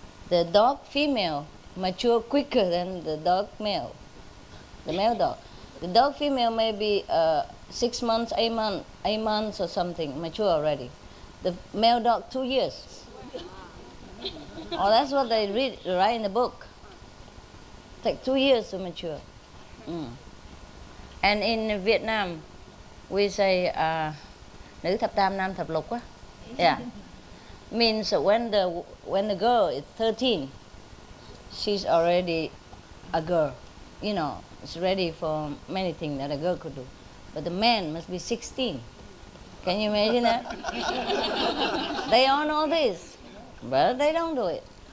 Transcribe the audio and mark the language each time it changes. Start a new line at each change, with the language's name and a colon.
English: The dog female mature quicker than the dog male, the male dog. The dog female may be 6 months, eight months or something, mature already. The male dog, 2 years. Oh, that's what they read right in the book. Take 2 years to mature. Mm. And in Vietnam, we say,
Vietnamese: nữ thập tam, nam thập lục.
English: Yeah. Means when the girl is 13, she's already a girl. You know, it's ready for many things that a girl could do. But the man must be 16. Can you imagine that? They all know this, but they don't do it.